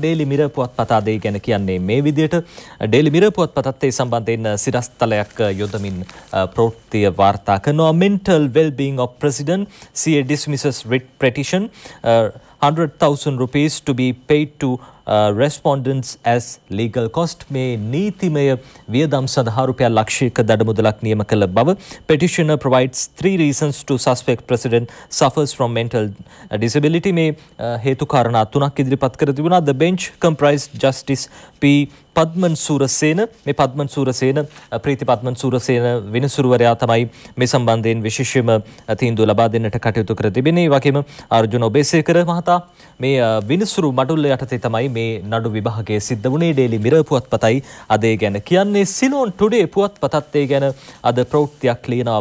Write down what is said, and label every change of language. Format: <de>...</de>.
<si>Daily මිර පුවත්පත අදේ ගැන කියන්නේ මේ විදියට. ඩේලි මිර පුවත්පතත් ඒ සම්බන්ධයෙන් සිරස්තලයක් යොදමින් ප්‍රවෘත්තිය වාර්තා කරනවා.</si> <en>Mental wellbeing of president CA dismisses writ petition 100,000 rupees to be paid to respondents as legal cost.</en> <si>මේ නීතිමය වියදම් සඳහා රුපියල් ලක්ෂයක දඩ මුදලක් නියම කළ බව.</si> <en>petitioner provides 3 reasons to suspect president suffers from mental disability.</en> <si>මේ හේතු කාරණා තුනක් ඉදිරිපත් කර තිබුණා.</si> <en>The bench comprised justice P</en> <si>පද්මන් Surasena. මේ පද්මන් සූරසේන ප්‍රීති පද්මන් සූරසේන විනිසුරුවරයා තමයි මේ සම්බන්ධයෙන් විශේෂම තීන්දුව ලබා දෙන්නට කටයුතු කර තිබෙනේ. වගේම අර්ජුන ඔබේසේකර මහතා මේ විනිසුරු මඩුල්ල යටතේ තමයි මේ නඩු විභාගයේ සිද්ධ වුණේ. ඩේලි මිර පුවත්පතයි අදේ ගැන කියන්නේ. සිලෝන් ටුඩේ පුවත්පතත් ඒ ගැන අද ප්‍රවෘත්තියක් ලියනවා.</si>